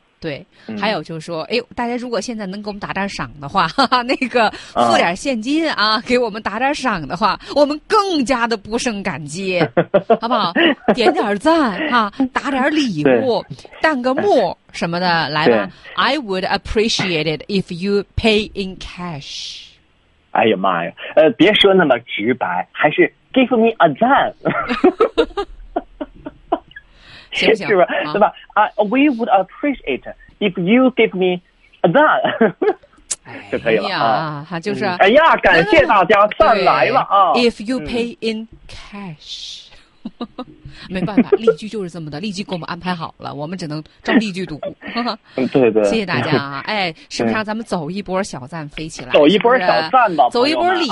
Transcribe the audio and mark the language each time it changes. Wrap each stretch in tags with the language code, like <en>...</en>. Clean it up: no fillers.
<zh>对，还有就是说，哎呦，大家如果现在能给我们打点赏的话，哈哈，那个付点现金 啊，给我们打点赏的话，我们更加的不胜感激，好不好？点点赞啊，打点礼物，弹个幕什么的，来吧。</zh> <en>I would appreciate it if you pay in cash。</en> <zh>哎呀妈呀，别说那么直白，还是</zh> <en>give me a</en> <zh>赞。行不行是吧？啊、对吧</zh> <en>？We would appreciate if you give me that</en> <zh>就可以了、哎、就是、哎呀，感谢大家算来了啊！</zh> <en>If you pay in cash，</en> <zh>没办法，例句就是这么的，例句给我们安排好了，我们只能照例句读。对对，谢谢大家啊！哎，是不是让咱们走一波小赞飞起来？走一波小赞吧，走一波礼物、</zh>